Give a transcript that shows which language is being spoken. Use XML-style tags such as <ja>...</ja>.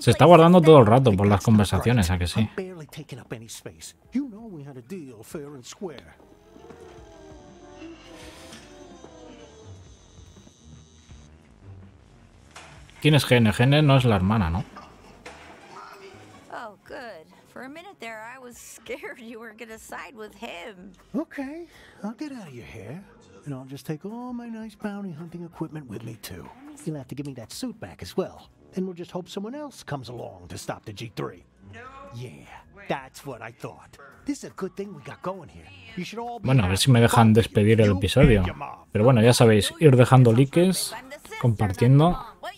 <es>Se está guardando todo el rato por las conversaciones, ¿a que sí?</es> <en>I'm barely taking up any space. You know we had a deal, fair and square.</en> <es>¿Quién es Gene? Gene no es la hermana, ¿no?</es> <en>Oh, good. For a minute there, I was heard you were gonna side with him. Okay, I'll get out of your hair. And I'll just take all my nice bounty hunting equipment with me, too. You'll have to give me that suit back as well. Then we'll just hope someone else comes along to stop the G3. No. Yeah, that's what I thought. This is a good thing we got going here. You should all be.</en> <es>Bueno, a ver si me dejan despedir el episodio. Pero bueno, ya sabéis, ir dejando likes, compartiendo.</es>